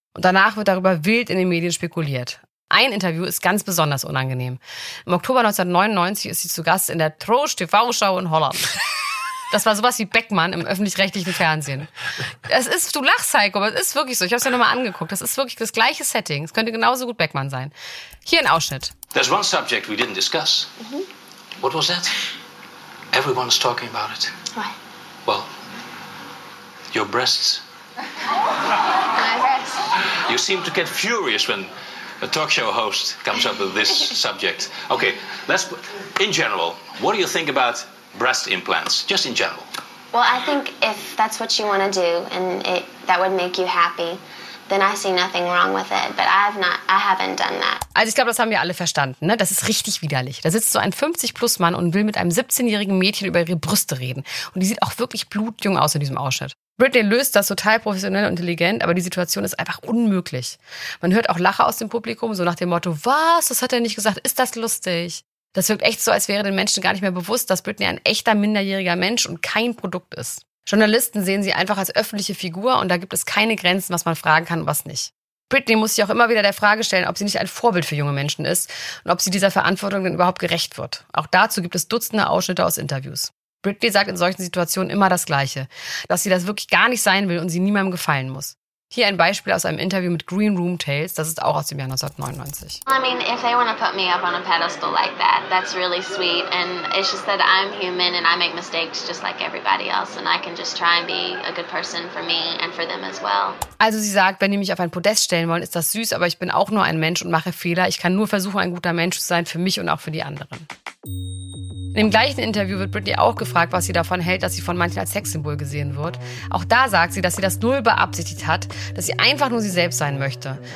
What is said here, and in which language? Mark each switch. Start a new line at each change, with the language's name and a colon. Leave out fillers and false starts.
German: Und danach wird darüber wild in den Medien spekuliert. Ein Interview ist ganz besonders unangenehm. Im Oktober 1999 ist sie zu Gast in der Troost-TV-Show in Holland. Das war sowas wie Beckmann im öffentlich-rechtlichen Fernsehen. Es ist, du lachst, Heiko, aber es ist wirklich so. Ich habe es ja nochmal angeguckt. Das ist wirklich das gleiche Setting. Es könnte genauso gut Beckmann sein. Hier ein Ausschnitt.
English: There's one subject we didn't discuss. Mm-hmm. What was that? Everyone's talking about it. Why? Well, your breasts. My breasts. You seem to get furious when a talk show host comes up with this subject. Okay, in general, what do you think about breast implants, just in general? Well, I think if that's what you want to do and that would make you happy, then I see nothing wrong with it. But I haven't done that.
German: Also ich glaube, das haben wir alle verstanden, ne? Das ist richtig widerlich. Da sitzt so ein 50-plus-Mann und will mit einem 17-jährigen Mädchen über ihre Brüste reden. Und die sieht auch wirklich blutjung aus in diesem Ausschnitt. Britney löst das total professionell und intelligent, aber die Situation ist einfach unmöglich. Man hört auch Lacher aus dem Publikum, so nach dem Motto, was, das hat er nicht gesagt, ist das lustig? Das wirkt echt so, als wäre den Menschen gar nicht mehr bewusst, dass Britney ein echter minderjähriger Mensch und kein Produkt ist. Journalisten sehen sie einfach als öffentliche Figur und da gibt es keine Grenzen, was man fragen kann und was nicht. Britney muss sich auch immer wieder der Frage stellen, ob sie nicht ein Vorbild für junge Menschen ist und ob sie dieser Verantwortung denn überhaupt gerecht wird. Auch dazu gibt es Dutzende Ausschnitte aus Interviews. Britney sagt in solchen Situationen immer das Gleiche, dass sie das wirklich gar nicht sein will und sie niemandem gefallen muss. Hier ein Beispiel aus einem Interview mit Green Room Tales, das ist auch aus dem Jahr 1999.
English: I mean, if they want to put me up on a pedestal like that, that's really sweet. And it's just that I'm human and I make mistakes just like everybody else. And I can just try and be a good person for me and for them as well.
German: Also sie sagt, wenn die mich auf ein Podest stellen wollen, ist das süß, aber ich bin auch nur ein Mensch und mache Fehler. Ich kann nur versuchen, ein guter Mensch zu sein für mich und auch für die anderen. In dem gleichen Interview wird Britney auch gefragt, was sie davon hält, dass sie von manchen als Sexsymbol gesehen wird. Auch da sagt sie, dass sie das null beabsichtigt hat, dass sie einfach nur sie selbst sein möchte.